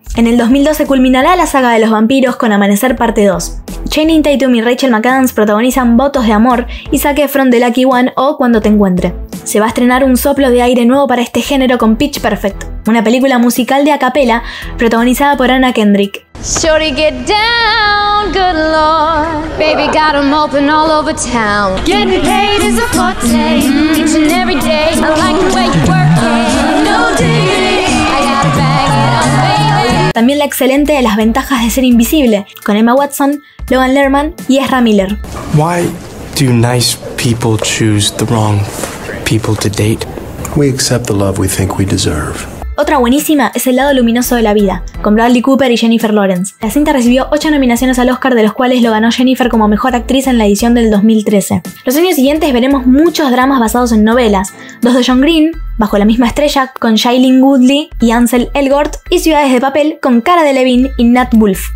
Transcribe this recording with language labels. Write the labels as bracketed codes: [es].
[es] En el 2012 culminará la saga de los vampiros con Amanecer parte 2. Channing Tatum y Rachel McAdams protagonizan Votos de amor y Zac Efron de Lucky One o Cuando te encuentre. Se va a estrenar un soplo de aire nuevo para este género con Pitch Perfect, una película musical de a capella protagonizada por Anna Kendrick. [en] Shorty, get down, good lord. Baby got 'em open all over town. Getting paid is a forte. Each and every day, I like the way you work it. No diggity, I gotta bang it on, baby. [es] También la excelente de Las ventajas de ser invisible, con Emma Watson, Logan Lerman y Ezra Miller. [en] Why do nice people choose the wrong people to date? We accept the love we think we deserve. [es] Otra buenísima es El lado luminoso de la vida, con Bradley Cooper y Jennifer Lawrence. La cinta recibió 8 nominaciones al Oscar, de los cuales lo ganó Jennifer como mejor actriz en la edición del 2013. Los años siguientes veremos muchos dramas basados en novelas, dos de John Green, Bajo la misma estrella, con Shailene Woodley y Ansel Elgort, y Ciudades de papel, con Cara Delevingne y Nat Wolff.